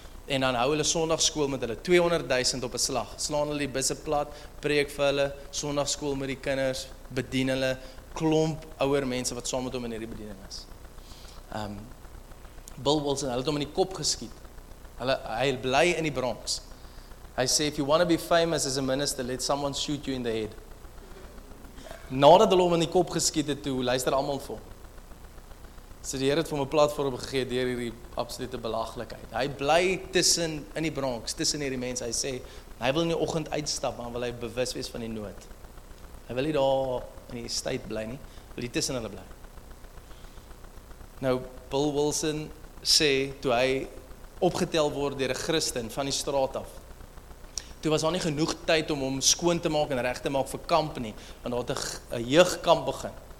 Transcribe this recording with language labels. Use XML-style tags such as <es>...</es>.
<af>En dan hou hulle sonnaarskool met hulle 200.000 op 'n slag. Slaan hulle die busse plat, preek vir hulle, sonnaarskool met die kinders, bedien hulle, klomp ouer mense wat saam met hom in hierdie bediening is. Bill Wilson, hulle het hom in die kop geskiet. Hy bly in die Bronx. Hy sê,</af> <en>if you want to be famous as a minister, let someone shoot you in the head.</en> <af>Nadat hulle hom in die kop geskiet het, toe luister allemaal vir hom. So die Heer het vir hom 'n platform gegee deur hierdie absolute belaglikheid. Hy bly tussen in die Bronx, tussen hierdie mense. Hy sê, hy wil in die oggend uitstap, maar wil hy bewus wees van die nood. Hy wil nie daar in die stad bly nie, wil hy tussen hulle bly. Nou, Bill Wilson sê, toe hy opgetel word deur 'n Christen van die straat af, toe was daar nie genoeg tyd om hom skoon te maak en reg te maak vir kamp nie, want daar het 'n jeugkamp begin.</af>